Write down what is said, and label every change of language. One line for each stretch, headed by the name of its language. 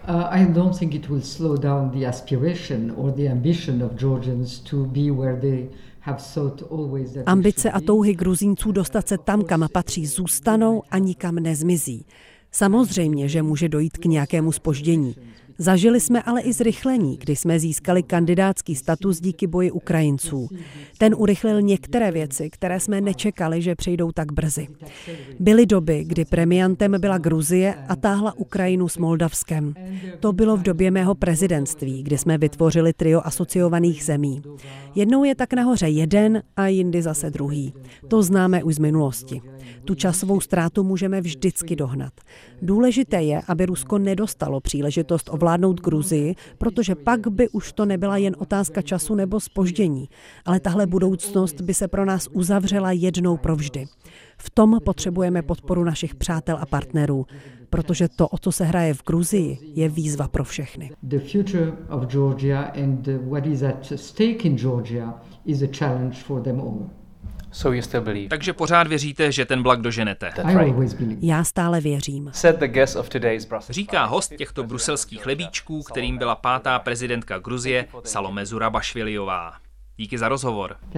English: I don't think it will slow down the aspiration or the ambition of Georgians to be where they have thought always that.
Czech: Ambice a touhy Gruzínců dostat se tam, kam patří, zůstanou a nikam nezmizí. Samozřejmě, že může dojít k nějakému zpoždění. Zažili jsme ale i zrychlení, kdy jsme získali kandidátský status díky boji Ukrajinců. Ten urychlil některé věci, které jsme nečekali, že přijdou tak brzy. Byly doby, kdy premiantem byla Gruzie a táhla Ukrajinu s Moldavskem. To bylo v době mého prezidentství, kdy jsme vytvořili trio asociovaných zemí. Jednou je tak nahoře jeden a jindy zase druhý. To známe už z minulosti. Tu časovou ztrátu můžeme vždycky dohnat. Důležité je, aby Rusko nedostalo příležitost ovládnout Gruzii, protože pak by už to nebyla jen otázka času nebo zpoždění, ale tahle budoucnost by se pro nás uzavřela jednou provždy. V tom potřebujeme podporu našich přátel a partnerů, protože to, o co se hraje v Gruzii, je výzva pro všechny.
English: The future of Georgia and what is at stake in Georgia is a challenge for them all. So you still believe.
Czech: Takže pořád věříte, že ten vlak doženete. Já stále věřím. Říká host těchto bruselských chlebíčků, kterým byla 5. prezidentka Gruzie, Salome Zurabišviliová. Díky za rozhovor.